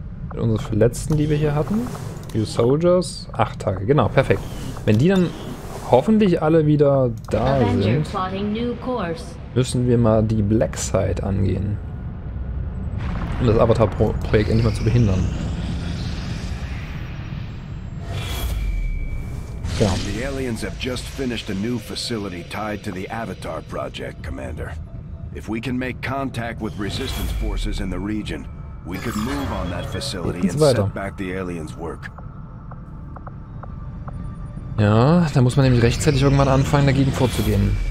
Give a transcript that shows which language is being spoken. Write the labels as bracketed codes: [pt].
[de] Mit unseren Verletzten, die wir hier hatten. New Soldiers. 8 Tage, genau, perfekt. Wenn die dann hoffentlich alle wieder da sind, müssen wir mal die Black Side angehen. Um das Avatar-Projekt endlich mal zu behindern. [en] The aliens have just finished a new facility tied to the Avatar project, Commander. If we can make contact with resistance forces in the region, we could move on that facility and set back the aliens' work. [de] Ja, da muss man nämlich rechtzeitig irgendwann anfangen, dagegen vorzugehen.